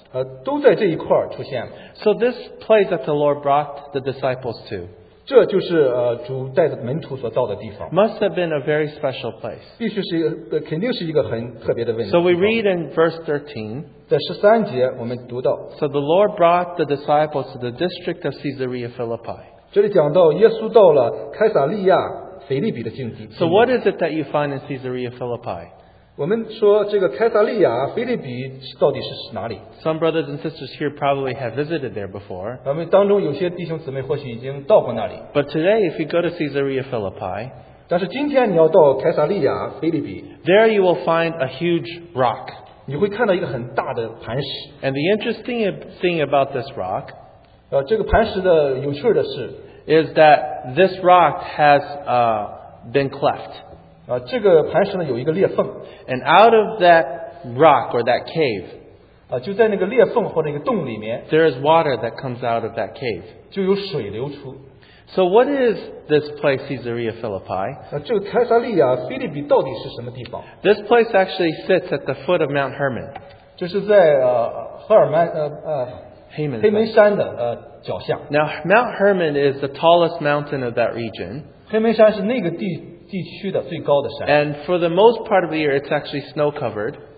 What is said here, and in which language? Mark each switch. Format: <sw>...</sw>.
<en>So this place that the Lord brought the disciples to</en> <zh>这就是, 主带着门徒所到的地方,</zh> <en>must have been a very special place.</en> <zh>必须是一个,</zh> <en>so we read in verse 13,</en> <zh>在13节我们读到,</zh> <en>so the Lord brought the disciples to the district of Caesarea Philippi.</en> <zh>这里讲到耶稣到了凯撒利亚,</zh> <en>so what is it that you find in Caesarea Philippi?</en> <zh>我们说这个凯撒利亚菲利比到底是哪里?</zh> <en>Some brothers and sisters here probably have visited there before.</en> <zh>我们当中有些弟兄姊妹或许已经到过那里。</zh> <en>But today, if you go to Caesarea Philippi,</en> <zh>但是今天你要到凯撒利亚菲利比,</zh> <en>there you will find a huge rock.</en> <zh>你会看到一个很大的磐石。</zh> <en>And the interesting thing about this rock,</en> <zh>这个磐石的有趣的是,</zh> <en>is that this rock has been cleft.</en> <zh>这个磐石呢有一个裂缝,</zh> <en>and out of that rock or that cave,</en> <zh>就在那个裂缝或者一个洞里面,</zh> <en>there is water that comes out of that cave.</en> <zh>就有水流出。</zh> <en>So what is this place, Caesarea Philippi?</en> <zh>这个凯撒利亚菲利比到底是什么地方?</zh> <en>This place actually sits at the foot of Mount Hermon.</en> <zh>就是在, 赫尔曼,</zh> <en>Now, Mount Hermon is the tallest mountain of that region. And for the most part of the year, it's actually snow covered.</en>